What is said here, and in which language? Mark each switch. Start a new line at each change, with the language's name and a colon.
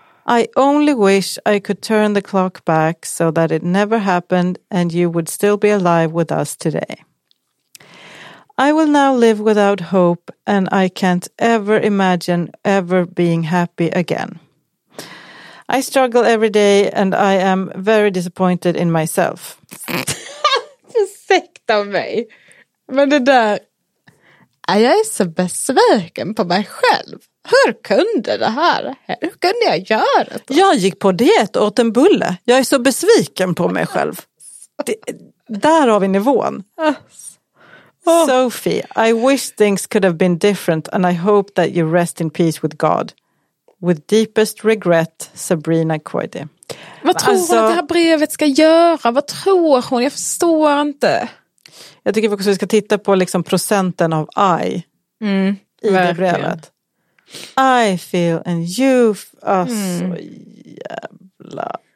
English: I only wish I could turn the clock back so that it never happened and you would still be alive with us today. I will now live without hope and I can't ever imagine ever being happy again. I struggle every day and I am very disappointed in myself.
Swedish: Ursäkta mig. Men det där... Jag är så besviken på mig själv. Hur kunde det här? Hur kunde jag göra det? Jag gick på diet och åt en bulle. Jag är så besviken på mig själv. Där har vi nivån. Oh.
English: Sophie, I wish things could have been different and I hope that you rest in peace with God. With deepest regret, Sabrina Coyde.
Swedish: Vad tror alltså, hon att det här brevet ska göra? Vad tror hon? Jag förstår inte. Jag tycker också att vi ska titta på liksom procenten av I mm, i det brevet.
English: I feel and you are
Swedish: så jävla...